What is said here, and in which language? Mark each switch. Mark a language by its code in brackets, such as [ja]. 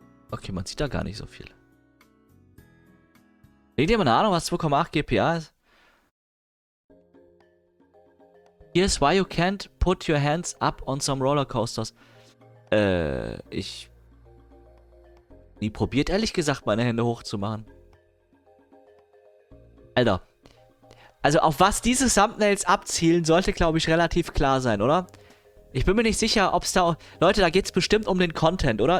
[de] Okay, man sieht da gar nicht so viel. Hat jemand eine Ahnung, was 2,8 GPA ist? [en] Here's why you can't put your hands up on some rollercoasters. [de] Ich nie probiert, ehrlich gesagt, meine Hände hochzumachen. Alter. Also auf was diese Thumbnails abzielen, sollte, glaube ich, relativ klar sein, oder? Ich bin mir nicht sicher, ob es da... Leute, da geht es bestimmt um den Content, oder?